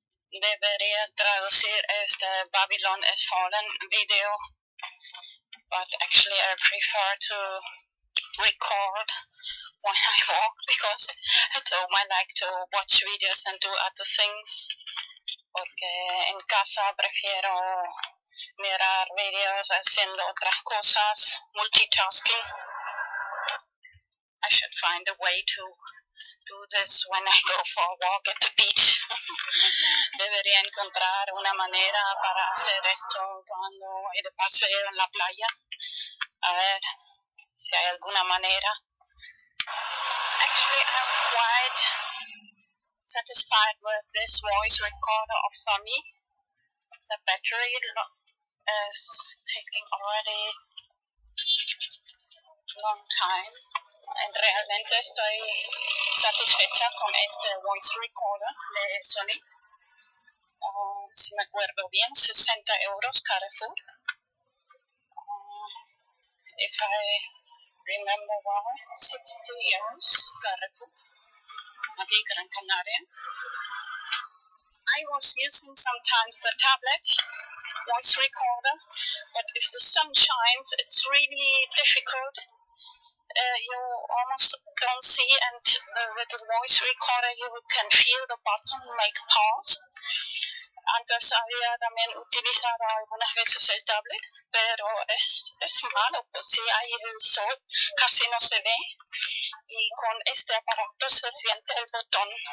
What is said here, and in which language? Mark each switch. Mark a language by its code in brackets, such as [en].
[es] Debería traducir este [en] Babylon is Fallen video, but actually I prefer to record when I walk, because at home I like to watch videos and do other things, [es] porque en casa prefiero mirar videos haciendo otras cosas, [en] multitasking. I should find a way to do this when I go for a walk at the beach. [es] Debería encontrar una manera para hacer esto cuando voy de paseo en la playa. A ver si hay alguna manera. [en] Actually, I'm quite satisfied with this voice recorder of Sony. The battery is taking already long time. [es] And realmente estoy satisfecha con este voice recorder de Sony. Si me acuerdo bien, 60 euros Carrefour. [en] If I remember well, 60 euros Carrefour. [es] Aquí, Gran Canaria. [en] I was using sometimes the tablet voice recorder, but if the sun shines, it's really difficult. you almost don't see, and with the voice recorder you can feel the button make pause. [es] Antes había también utilizado algunas veces el tablet, pero es malo, pues si hay el sol casi no se ve, y con este aparato se siente el botón.